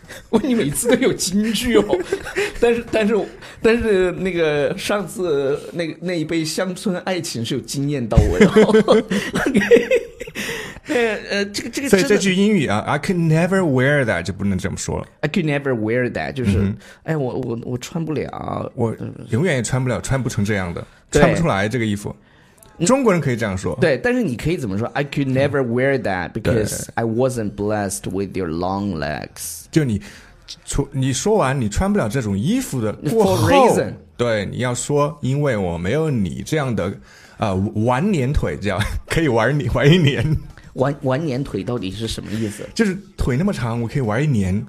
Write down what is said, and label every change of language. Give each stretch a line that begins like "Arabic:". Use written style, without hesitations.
Chinese: 我你每次都有金句哦，但是那个上次那一杯乡村爱情是有惊艳到我的。OK，这个所以这句英语啊
English: I could never wear that
Chinese: 就不能这么说了
English: I could never wear that
Chinese: 就是、嗯、哎我穿不了我永远也穿不了穿不成这样的穿不出来这个衣服中国人可以这样说对但是你可以怎么说
English: I could never wear that because I wasn't blessed with your long legs
Chinese: 就你说完你穿不了这种衣服的过后
English: For reason
Chinese: 对你要说因为我没有你这样的玩年腿这样可以玩你玩一年玩年腿到底是什么意思就是腿那么长我可以玩一年